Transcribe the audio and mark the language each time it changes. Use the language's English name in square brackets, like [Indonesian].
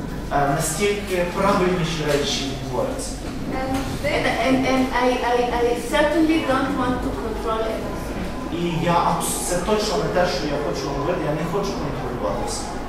[Ukrainian] Наскільки правильніші речі відбуваються. [English] And I certainly don't want to control everything. [Ukrainian] І я це точно не те, що я хочу говорити, я не хочу контролювати все.